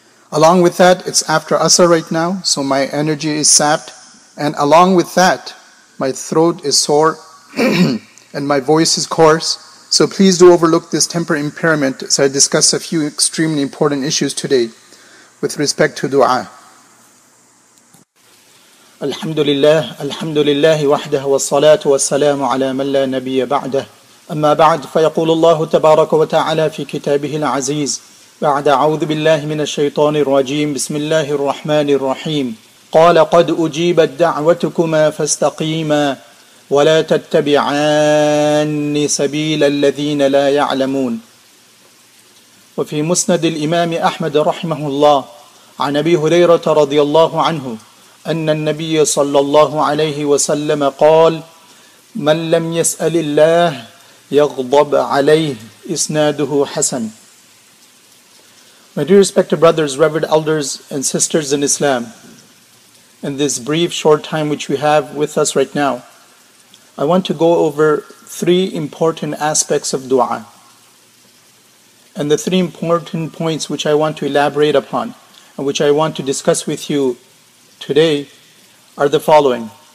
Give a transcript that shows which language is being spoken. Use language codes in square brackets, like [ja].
[en] Along with that, it's after Asr right now, so my energy is sapped. And along with that, my throat is sore and my voice is coarse. So please do overlook this temper impairment as I discuss a few extremely important issues today with respect to dua. [ar] الحمد لله الحمد لله وحده والصلاة والسلام على من لا نبي بعده أما بعد فيقول الله تبارك وتعالى في كتابه العزيز بعد أعوذ بالله من الشيطان الرجيم بسم الله الرحمن الرحيم قال قد أجيبت دعوتكما فاستقيما ولا تتبعان سبيل الذين لا يعلمون وفي مسند الإمام أحمد رحمه الله عن أبي هريرة رضي الله عنه أن النبي صلى الله عليه وسلم قال من لم يسأل الله يغضب عليه إسناده حسن. [en] My dear respected brothers, revered elders and sisters in Islam, in this brief short time which we have with us right now, I want to go over three important aspects of dua and the three important points which I want to elaborate upon and which I want to discuss with you today are the following.